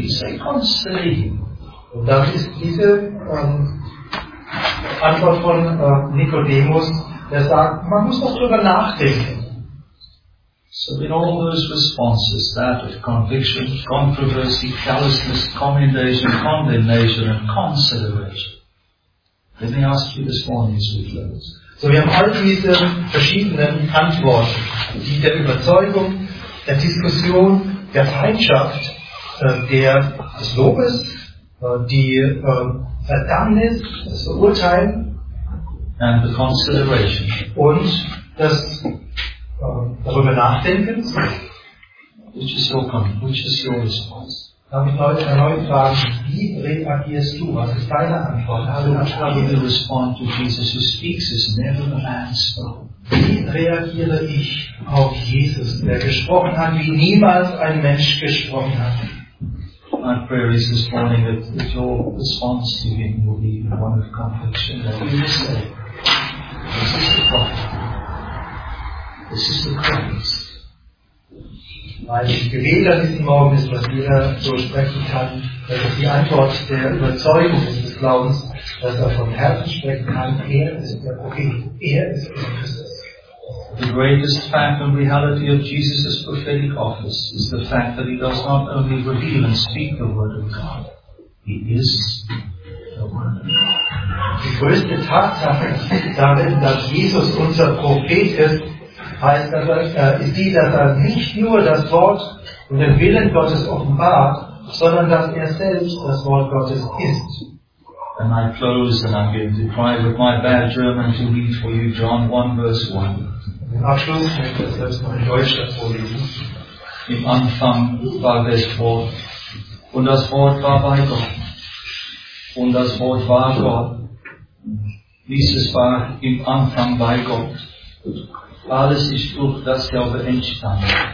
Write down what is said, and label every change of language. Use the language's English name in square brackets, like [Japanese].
[English] He says, "Consider him." [German] Und das ist diese Antwort von Nicodemus, der sagt, man muss doch drüber nachdenken. [English] So in all those responses, that of conviction, controversy, callousness, commendation, condemnation and consideration. Let me ask you this morning as we close. [German] So wir haben all diese verschiedenen Antworten, die der Überzeugung, der Diskussion, der Feindschaft, des Lobes, Verdammnis, das Verurteilen [English] and the consideration. [German] Und das darüber Nachdenken. [English] Which is your response? [German] Darf ich Leute erneut fragen, wie reagierst du? Was ist deine Antwort? [English] Also, how do you respond to Jesus who speaks as never a man spoke? [German] Wie reagiere ich auf Jesus, der gesprochen hat, wie niemals ein Mensch gesprochen hat? [English] My prayer is this morning that your response to him will be one of conviction. That you will say, this is the prophet. This is the Christ. [German] Weil ich gewählt an diesem Morgen ist, was jeder so sprechen kann, dass es die Antwort der Überzeugung des Glaubens, dass er vom Herzen sprechen kann, er ist der Prophet, er ist der Christus. [English] The greatest fact and reality of Jesus' prophetic office is the fact that he does not only reveal and speak the word of God, he is the word of God. [German] Die größte Tatsache darin, dass Jesus unser Prophet ist, heißt aber, ist die, dass er nicht nur das Wort und den Willen Gottes offenbart, sondern dass er selbst das Wort Gottes ist. [English] And I close and I'm going to try with my bad German to read for you John 1 verse 1. [German] Im Abschluss möchte ich das mal in Deutsch vorlesen. Im Anfang war das Wort. Und das Wort war bei Gott. Und das Wort war Gott. Dieses war im Anfang bei Gott. Alles ist durch dasselbe entstanden.